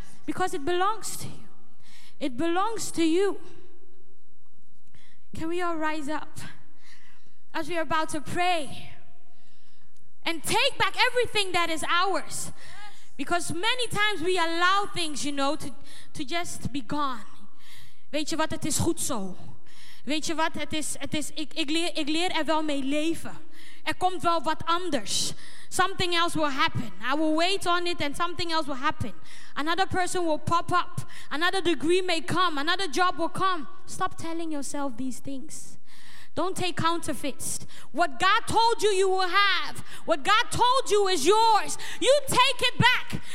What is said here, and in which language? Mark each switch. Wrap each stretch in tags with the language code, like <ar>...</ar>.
<en>Because it belongs to you. It belongs to you. Can we all rise up as we are about to pray and take back everything that is ours? Because many times we allow things, you know, to just be gone.</en> <nl>Weet je wat, het is goed zo. Weet je wat, het is ik leer er wel mee leven. Er komt wel wat anders.</nl> <en>Something else will happen. I will wait on it and something else will happen. Another person will pop up. Another degree may come. Another job will come. Stop telling yourself these things. Don't take counterfeits. What God told you, you will have. What God told you is yours. You take it back.</en>